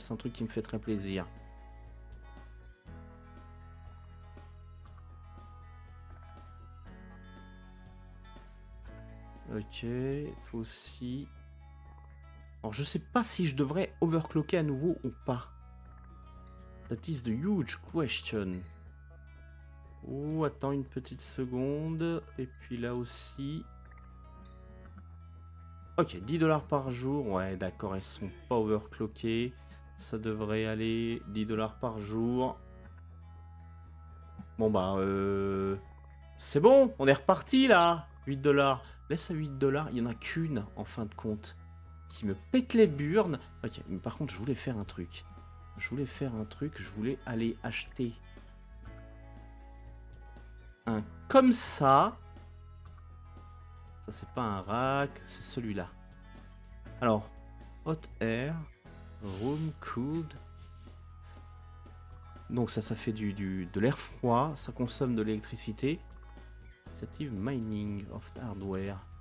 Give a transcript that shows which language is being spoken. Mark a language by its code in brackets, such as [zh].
[fr] C'est un truc qui me fait très plaisir. Ok, toi aussi. Alors, je sais pas si je devrais overclocker à nouveau ou pas. [en] That is the huge question. [fr] Oh, attends une petite seconde. Et puis là aussi. Ok, 10$ par jour. Ouais, d'accord, elles sont pas overclockées. Ça devrait aller. 10$ par jour. Bon, bah, c'est bon, on est reparti là. 8$. Laisse à 8$, il y en a qu'une en fin de compte qui me pète les burnes. Ok, mais par contre, je voulais faire un truc. Je voulais aller acheter un comme ça. Ça, c'est pas un rack, c'est celui-là. [en] Alors, hot air, room cooled. [fr] Donc, ça fait de l'air froid, ça consomme de l'électricité. [en] Initiative mining of hardware.